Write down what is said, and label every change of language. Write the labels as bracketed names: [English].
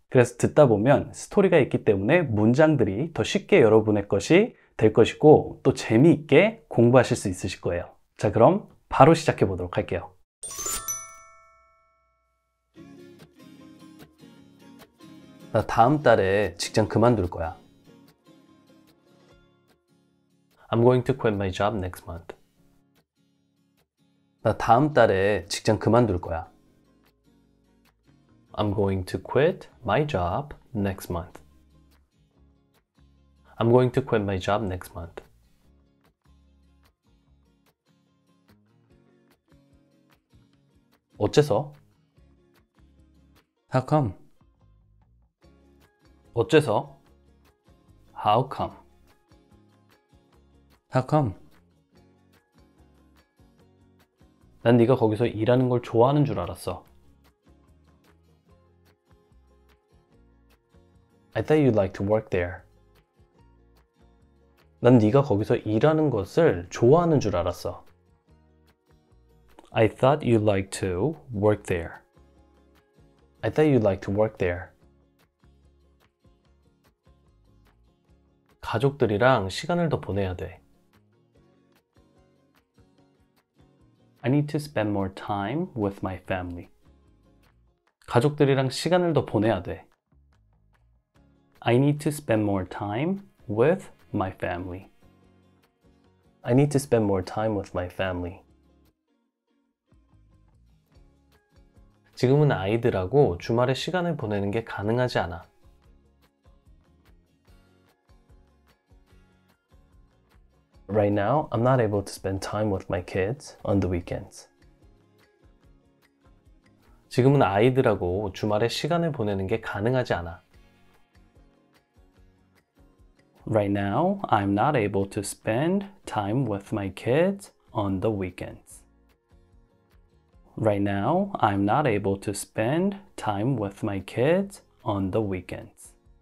[Korean] 그래서 듣다 보면 스토리가 있기 때문에 문장들이 더 쉽게 여러분의 것이 될 것이고 또 재미있게 공부하실 수 있으실 거예요. 자, 그럼 바로 시작해 보도록 할게요. 나 다음 달에 직장 그만둘 거야. [English] I'm going to quit my job next month. [Korean] 나 다음 달에 직장 그만둘 거야. [English] I'm going to quit my job next month. I'm going to quit my job next month. [Korean] 어째서? [English] How come? [Korean] 어째서? [English] How come? How come? [Korean] 난 네가 거기서 일하는 걸 좋아하는 줄 알았어. [English] I thought you'd like to work there. [Korean] 난 네가 거기서 일하는 것을 좋아하는 줄 알았어. [English] I thought you'd like to work there. I thought you'd like to work there. [Korean] 가족들이랑 시간을 더 보내야 돼. [English] I need to spend more time with my family. [Korean] 가족들이랑 시간을 더 보내야 돼. [English] I need to spend more time with my family. I need to spend more time with my family. [Korean] 지금은 아이들하고 주말에 시간을 보내는 게 가능하지 않아. [English] Right now, I'm not able to spend time with my kids on the weekends. [Korean] 지금은 아이들하고 주말에 시간을 보내는 게 가능하지 않아. [English] Right now, I'm not able to spend time with my kids on the weekends. Right now, I'm not able to spend time with my kids on the weekends.